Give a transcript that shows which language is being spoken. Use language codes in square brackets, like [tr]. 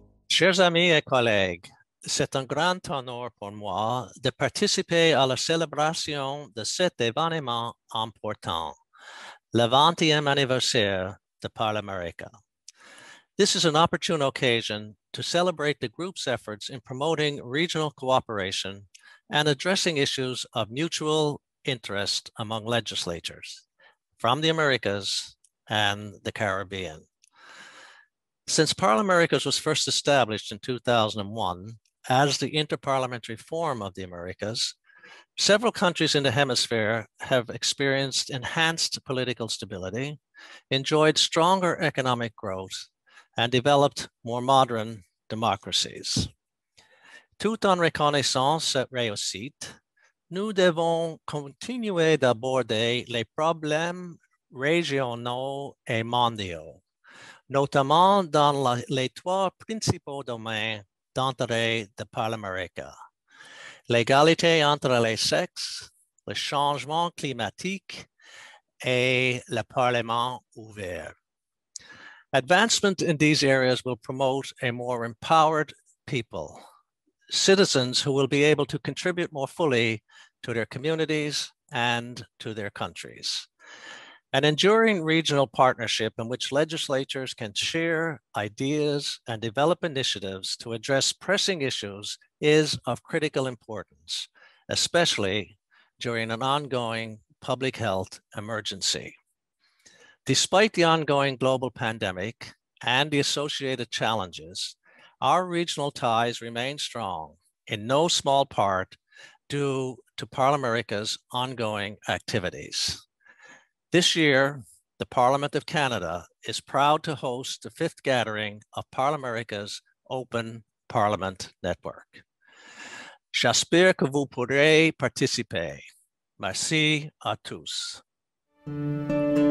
[fr] Chers amis et collègues, c'est un grand honneur pour moi de participer à la célébration de cet événement important, le 20e anniversaire de Parle America. [en] This is an opportune occasion to celebrate the group's efforts in promoting regional cooperation and addressing issues of mutual interest among legislatures from the Americas and the Caribbean. Since Parle Americas was first established in 2001 as the interparliamentary form of the Americas, several countries in the hemisphere have experienced enhanced political stability, enjoyed stronger economic growth, and developed more modern democracies. [fr] Tout en reconnaissant cette réussite, nous devons continuer d'aborder les problèmes régionaux et mondiaux, notamment dans les trois principaux domaines d'intérêt de Parle America: l'égalité entre les sexes, le changement climatique et le Parlement ouvert. [en] Advancement in these areas will promote a more empowered people, citizens who will be able to contribute more fully to their communities and to their countries. An enduring regional partnership in which legislatures can share ideas and develop initiatives to address pressing issues is of critical importance, especially during an ongoing public health emergency. Despite the ongoing global pandemic and the associated challenges, our regional ties remain strong, in no small part due to Parle America's ongoing activities. This year, the Parliament of Canada is proud to host the fifth gathering of Parle America's Open Parliament Network. [fr] J'espère que vous pourrez participer. Merci à tous.